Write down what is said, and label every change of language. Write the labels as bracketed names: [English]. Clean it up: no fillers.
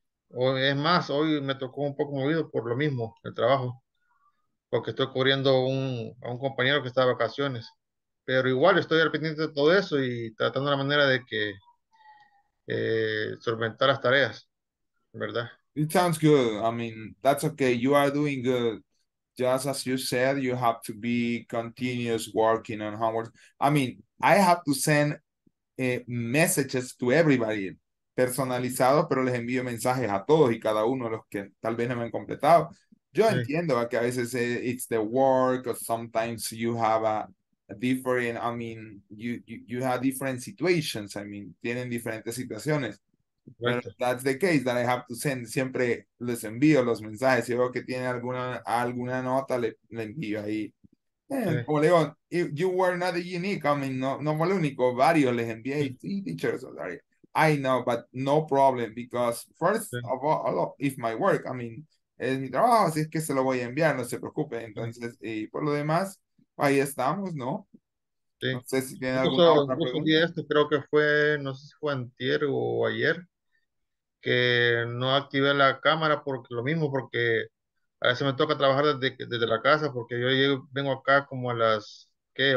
[Spanish] Hoy, es más, hoy me tocó un poco movido por lo mismo, el trabajo, porque estoy cubriendo a un compañero que está de vacaciones. Pero igual estoy al pendiente de todo eso y tratando la manera de que solventar las tareas, ¿verdad? [English] It sounds good. I mean, that's okay. You are doing good. Just as you said, you have to be continuous working on homework. I mean, I have to send messages to everybody, [Spanish] personalizados, pero les envío mensajes a todos y cada uno de los que tal vez no me han completado. Yo entiendo que a veces [English] it's the work, or sometimes you have different situations. I mean, [Spanish] tienen diferentes situaciones. Pero [English] that's the case that I have to send. [Spanish] Siempre les envío los mensajes. Si veo que tiene alguna nota, le envío ahí. Como le digo, [English] you were not unique. I mean, [Spanish] no fue el único. Varios les envié. [English] Teachers, sorry. I know, but no problem, because first of all, if my work, I mean, [Spanish] es mi trabajo, así es que se lo voy a enviar, no se preocupe. Entonces, y por lo demás, ahí estamos, ¿no? Sí. No sé si tiene alguna otra pregunta. Esto creo que fue, no sé si fue antier o ayer, que no activé la cámara porque lo mismo, porque a veces me toca trabajar desde la casa, porque yo llego, vengo acá como a las, ¿qué?